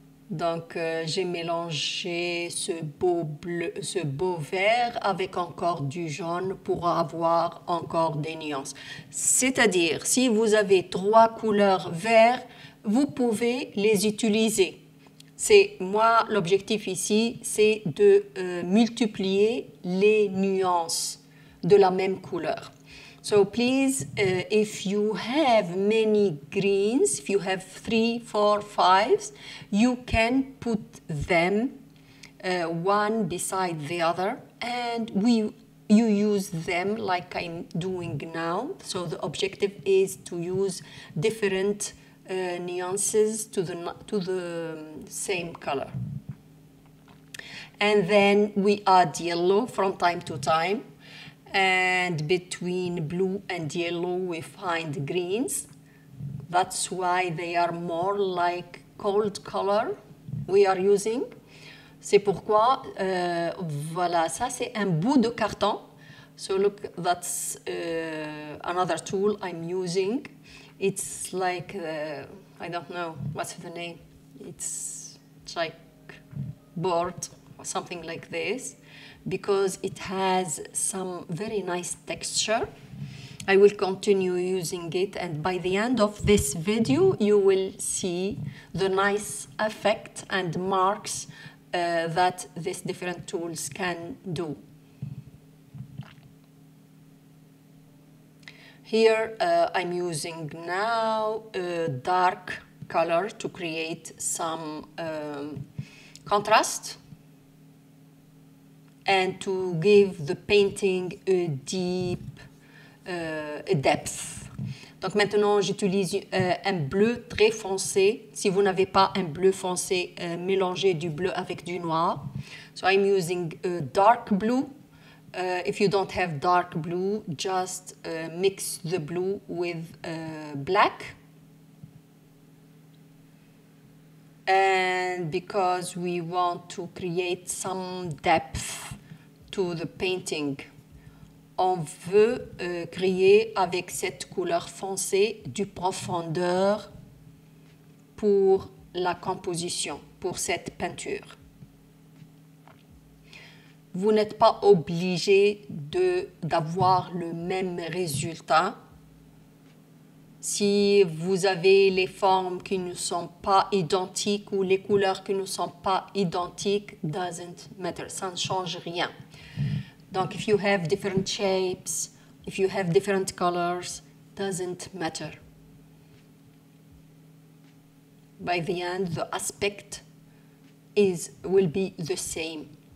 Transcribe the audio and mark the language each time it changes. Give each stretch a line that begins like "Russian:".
French: Donc j'ai mélangé ce beau bleu, ce beau vert avec encore du jaune pour avoir encore des nuances. C'est-à-dire, si vous avez trois couleurs vertes, vous pouvez les utiliser. C'est moi, l'objectif ici, c'est de multiplier les nuances de la même couleur.
English: So please, if you have many greens, if you have 3, 4, 5, you can put them one beside the other, and you use them like I'm doing now. So the objective is to use different nuances to the same color, and then we add yellow from time to time, and between blue and yellow we find greens. That's why they are more like cold color we are using.
French: C'est pourquoi voilà, ça c'est un bout de carton.
English: So look, that's another tool I'm using. It's like, I don't know, what's the name? It's like board or something like this, because it has some very nice texture. I will continue using it, and by the end of this video, you will see the nice effect and marks that these different tools can do. Here I'm using now a dark color to create some contrast and to give the painting a deep a depth.
French: Donc maintenant j'utilise un bleu très foncé. Si vous n'avez pas un bleu foncé, mélangez du bleu avec du noir.
English: So I'm using a dark blue. If you don't have dark blue, just mix the blue with black. And because we want to create some depth to the painting,
French: on veut créer avec cette couleur foncée du profondeur pour la composition, pour cette peinture. Vous n'êtes pas obligé d'avoir le même résultat. Si vous avez les formes qui ne sont pas identiques ou les couleurs qui ne sont pas identiques,
English: doesn't matter,
French: ça ne change rien.
English: Donc, if you have different shapes, if you have different colors, doesn't matter. By the end, the aspect will be the same.